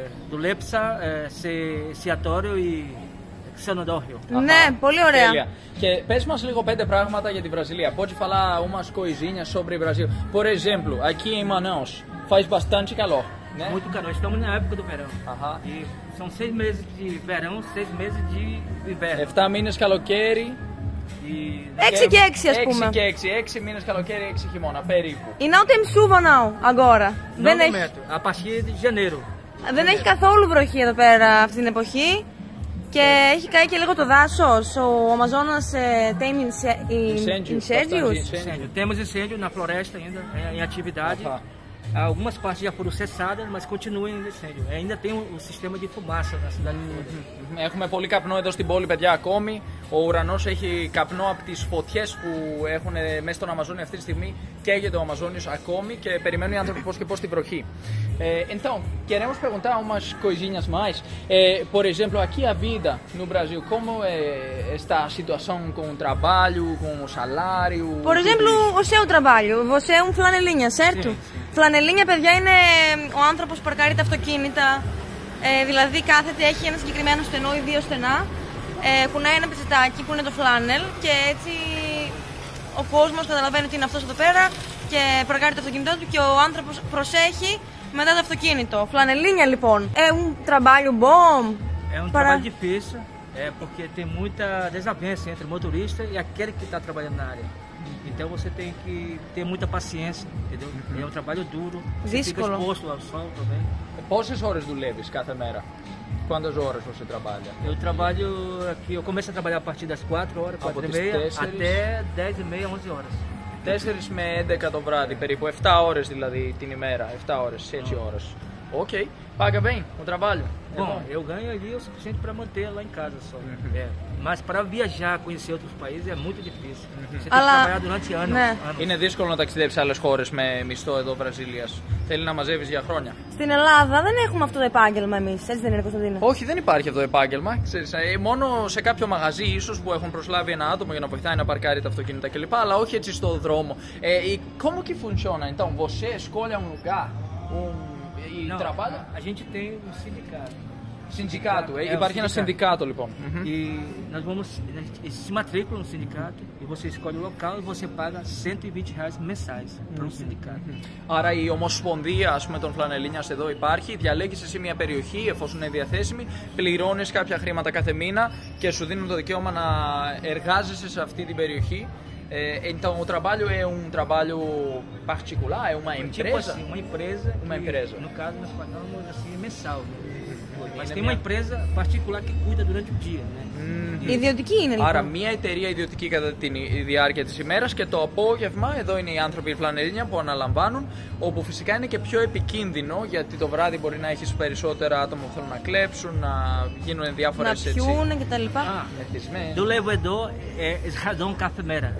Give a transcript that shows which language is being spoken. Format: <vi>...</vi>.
<el>Δουλέψα σε εστιατόριο ή... Ναι, πολύ ωραία. Τέλεια. Και πες μας λίγο πέντε πράγματα για τη Βραζιλία.</el> <pt>Pode falar umas coisinhas sobre Brasil. Por exemplo, aqui em Manaus faz bastante calor, né? Muito calor. Estamos na época do verão. E são 6 meses de verão, 6 meses de inverno.</pt> <el>7 μήνες καλοκαίρι. 6 και 6, ας πούμε. 6 και 6. 6 μήνες καλοκαίρι, 6 χειμώνα, περίπου.</el> <pt>E não tem chuva não, agora.</pt> <el>Δεν έχει.</el> <pt>A partir de janeiro.</pt> <el>Δεν έχει καθόλου βροχή εδώ πέρα αυτή την εποχή. Και έχει καεί και λίγο το δάσος, ο Αμαζόνας</el> <pt>tem incêndios. Temos incêndio na floresta ainda, em atividade. Algumas partes já foram cessadas, mas continuam em incêndio. Ainda tem um sistema de fumaça na cidade.</pt> <el>Έχουμε πολύ καπνό εδώ στην πόλη, παιδιά, ακόμη. Ο ουρανός έχει καπνό από τις φωτιές που έχουν μέσα στον Αμαζόνιο αυτή τη στιγμή. Καίγεται ο Αμαζόνιος ακόμη και περιμένουν οι άνθρωποι πώς και πώς την βροχή.</el> <pt>Então, queremos perguntar umas coisinhas mais. Por exemplo, aqui a vida no Brasil, como está a situação com o trabalho, com o salário? Por exemplo, o seu trabalho. Você é flanelinha, certo?</pt> <el>Flanelinha, παιδιά, είναι ο άνθρωπος που παρκάρει τα αυτοκίνητα. Δηλαδή κάθεται, έχει ένα συγκεκριμένο στενό ή δύο στενά. Κουνάει ένα πιζετάκι που είναι το φλάνελ και έτσι ο κόσμος καταλαβαίνει ότι είναι αυτός εδώ πέρα και παρκάρει το αυτοκίνητό του και ο άνθρωπος προσέχει μετά το αυτοκίνητο.</el> <pt>Φλανελίνια λοιπόν. Un trabalho bom. Trabalho difícil, porque tem muita desavença entre motorista e aquele que está trabalhando na área. Então você tem que ter muita paciência, entendeu? É trabalho duro.</pt> <el>Δύσκολο.</el> <pt>Fica exposto ao sol também. Quantas horas dulevis cada mera? Quantas horas você trabalha? Eu trabalho aqui, eu começo a trabalhar a partir das 4 horas, 4 e meia, até 10 e meia, 11 horas.</pt> <el>4 με 11 το βράδυ, περίπου 7 ώρες δηλαδή την ημέρα, 7 ώρες, 6 ώρες.</el> <pt>Οκ, paga bem o trabalho. Bom, eu ganho ali o suficiente para manter lá em casa só. Mas para viajar, conhecer outros países é muito difícil. Você tem que trabalhar durante anos.</pt> <el>Είναι δύσκολο να ταξιδέψεις άλλες χώρες με μισθό εδώ Βραζίλιας. Θέλει να μαζεύεις για χρόνια. Στην Ελλάδα δεν έχουμε αυτό το επάγγελμα εμείς, έτσι δεν είναι, Κωνσταντίνε? Όχι, δεν υπάρχει αυτό το επάγγελμα. Μόνο σε κάποιο μαγαζί ίσως που έχουν προσλάβει ένα άτομο για να βοηθάει να παρκάρει τα αυτοκίνητα κλπ. Αλλά όχι έτσι στο δρόμο.</el> <pt>Como que funciona, então, você escolhe um lugar, Não, a gente tem um sindicato.</pt> <el>Sindicato, υπάρχει ένα συνδικάτο λοιπόν.</el> <pt>E nós vamos se matricular no sindicato e você escolhe o local e você paga R$120 mensais para um sindicato.</pt> <el>Άρα η ομοσπονδία, ας πούμε, των Φλανελίνιας εδώ υπάρχει, διαλέγεις εσύ μια περιοχή εφόσον είναι διαθέσιμη, πληρώνεις κάποια χρήματα κάθε μήνα και σου δίνουν το δικαίωμα να εργάζεσαι σε αυτή την περιοχή.</el> <pt>Então o trabalho é trabalho particular, é uma empresa? Tipo assim, uma empresa. No caso, nós pagamos assim, mensal. Mas tem uma empresa particular que cuida durante o dia, né?</pt> <el>Ιδιωτική είναι λοιπόν. Άρα μία εταιρεία ιδιωτική κατά τη διάρκεια της ημέρας και το απόγευμα εδώ είναι οι άνθρωποι Φλανελίνια που αναλαμβάνουν, όπου φυσικά είναι και πιο επικίνδυνο γιατί το βράδυ μπορεί να έχεις περισσότερα άτομα που θέλουν να κλέψουν, να γίνουν διάφορες έτσι. Να πιούν και τα λοιπά. Δουλεύω εδώ σχεδόν κάθε μέρα.</el>